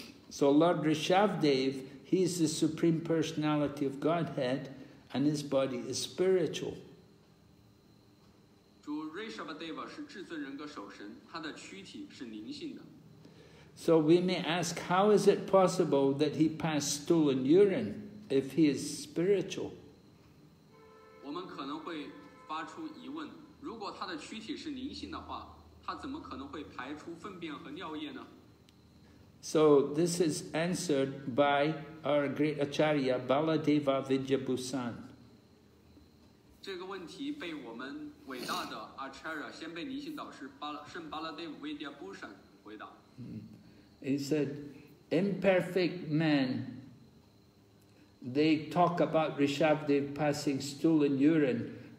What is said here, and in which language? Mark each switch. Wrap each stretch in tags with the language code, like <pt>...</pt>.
<en>So Lord Rishabhdev, he is the supreme personality of Godhead, and his body is spiritual.</en> <zh>主 Rishabhdev 是至尊人格守神，他的躯体是灵性的。</zh> <en>So we may ask, how is it possible that he passed stool and urine if he is spiritual?</en> <zh>我们可能会发出疑问，如果他的躯体是灵性的话，他怎么可能会排出粪便和尿液呢？</zh> <en>So this is answered by our great Acharya Baladeva Vidyabhusan.</en> <zh>这个问题被我们伟大的 Acharya 先辈灵性导师圣 Baladeva Vidyabhusan 回答。</zh> <en>He said, imperfect manThey talk about Rishabhdev passing stool and urine.</en>